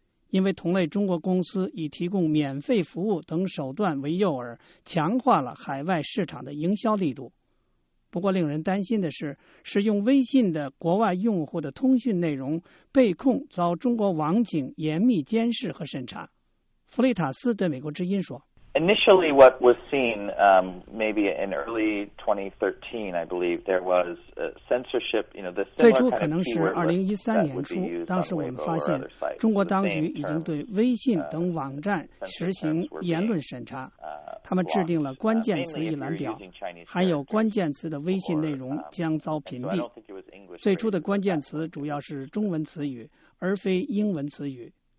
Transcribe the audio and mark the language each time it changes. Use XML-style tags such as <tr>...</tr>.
<zh>因为同类中国公司以提供免费服务等手段为诱饵，强化了海外市场的营销力度。不过令人担心的是，使用微信的国外用户的通讯内容被控遭中国网警严密监视和审查。弗雷塔斯对美国之音说，</zh> <en>Initially what was seen, maybe in early 2013, I believe there was censorship, you know, the similar</en> <zh>最初可能是2013年初，当时我们发现中国当局已经对微信等网站实行言论审查，他们制定了关键词一览表，含有关键词的微信内容将遭屏蔽。最初的关键词主要是中文词语，而非英文词语。</zh>